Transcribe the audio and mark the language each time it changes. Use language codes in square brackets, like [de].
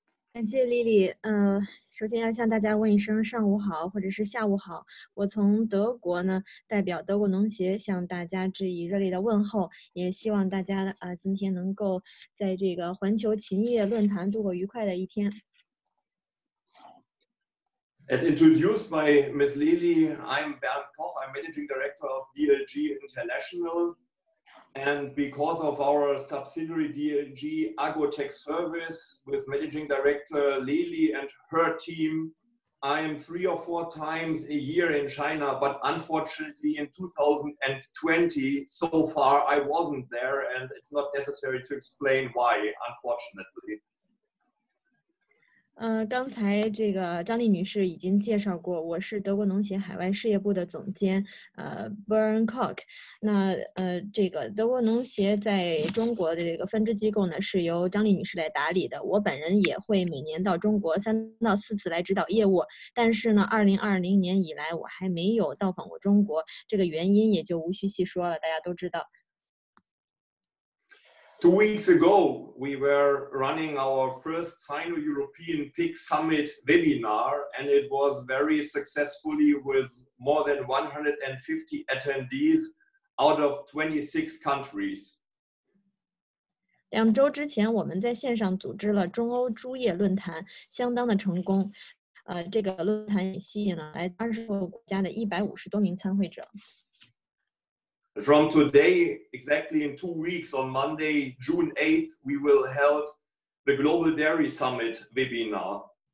[zh] 感谢莉莉, 首先要向大家问一声上午好或者是下午好, 我从德国呢, 代表德国农协, 向大家致以热烈的问候, 也希望大家, 今天能够在这个环球禽业论坛度过愉快的一天。 [en] As introduced by Ms. Lely, I'm Bernd Koch, I'm Managing Director of DLG International, and because of our subsidiary DLG Agrotech Service with Managing Director Lely and her team, I am 3 or 4 times a year in China, but unfortunately in 2020, so far I wasn't there, and it's not necessary to explain why, unfortunately. [zh] 刚才这个张丽女士已经介绍过，我是德国农协海外事业部的总监，Bern Koch。那这个德国农协在中国的这个分支机构呢，是由张丽女士来打理的。我本人也会每年到中国3到4次来指导业务，但是呢，2020年以来我还没有到访过中国，这个原因也就无需细说了，大家都知道。 [en] 2 weeks ago, we were running our first Sino-European Pig Summit webinar, and it was very successfully with more than 150 attendees out of 26 countries. [zh] 两周之前，我们在线上组织了中欧猪业论坛，相当的成功。这个论坛也吸引了来20多个国家的150多名参会者。 [en] From today, exactly in 2 weeks, on Monday, June 8th, we will hold the Global Dairy Summit webinar.